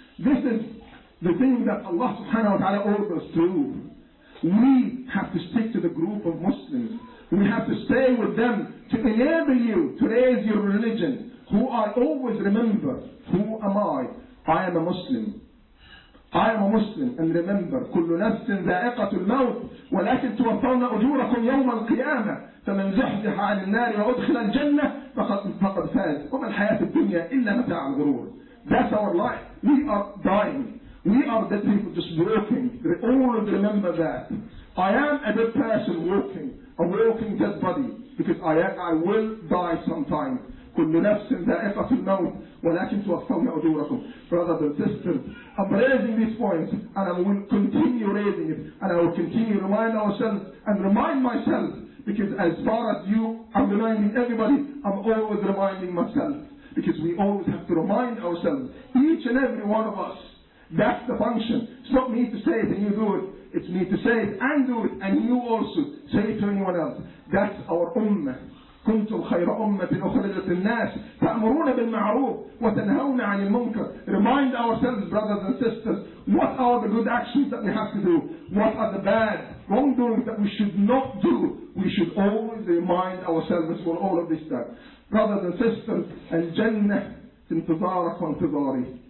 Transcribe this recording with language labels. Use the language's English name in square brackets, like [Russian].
[English] This is the thing that Allah subhanahu wa ta'ala orders us to do. We have to stick to the group of Muslims. We have to stay with them to enable you to raise your religion. Who I always remember, who am I? I am a Muslim. I am a Muslim. And remember, [Arabic] كُلُّ نَفْسٍ ذَائِقَةُ الْمَوْتِ وَلَكِنْ تُوَفَّوْنَ أُجُورَكُمْ يَوْمَ الْقِيَامَةِ فَمَنْ زُحْزِحَ عَنِ النَّارِ وَأُدْخِلَ الْجَنَّةِ فَقَدْ فَازَ وَمَا الْحَيَاةُ الدُّنْيَا إِلَّا مَتَاعُ الْغُرُورِ. [English] That's our life. We are dying. We are the people just walking. We always remember that. I am a dead person walking. A walking dead body. Because I will die sometime. [Arabic] كُلُّ نَفْسٍ ذَائِقَةُ الْمَوْتِ وَلَكِنْ تُوَفَّوْنَ أُجُورَكُمْ. [English] Brothers and sisters, I'm raising these points and I will continue raising it. And I will continue remind ourselves and remind myself. Because as far as you, I'm reminding everybody, I'm always reminding myself. Because we always have to remind ourselves. Each and every one of us. That's the function. It's not me to say it and you do it. It's me to say it and do it. And you also say it to anyone else. That's our ummah. [Arabic] كنتم خير أمة أخرجت الناس تأمرون بالمعروف وتنهون عن المنكر. [English] Remind ourselves, brothers and sisters, what are the good actions that we have to do? What are the bad wrongdoings that we should not do? We should always remind ourselves for all of this time. Brothers and sisters, [Arabic] الجنة انتظارك وانتظاري.